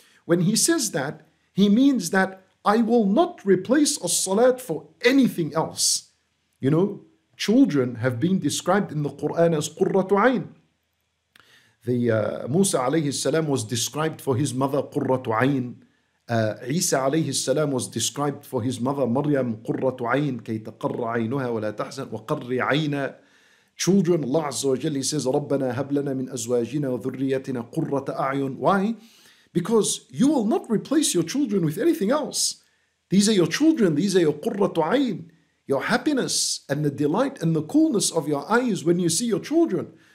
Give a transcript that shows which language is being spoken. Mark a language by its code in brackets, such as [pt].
[en] When he says that, he means that I will not replace a salat for anything else. You know, children have been described in the Quran as qurratu ayn. The Musa alayhi salam was described for his mother qurratu ayn. Isa alayhi salam was described for his mother Maryam qurratu ayn. [ar] كي تقر عينها ولا تحزن وقر عينا. [en] Children, Allah Azza wa Jalla, he says, [ar] رَبَّنَا هَبْلَنَا مِنْ أَزْوَاجِنَا وَذُرِّيَّتِنَا قُرَّةَ أَعْيُنْ. [en] Why? Because you will not replace your children with anything else. These are your children. These are your قُرَّةُ عَيْنِ. Your happiness and the delight and the coolness of your eyes when you see your children.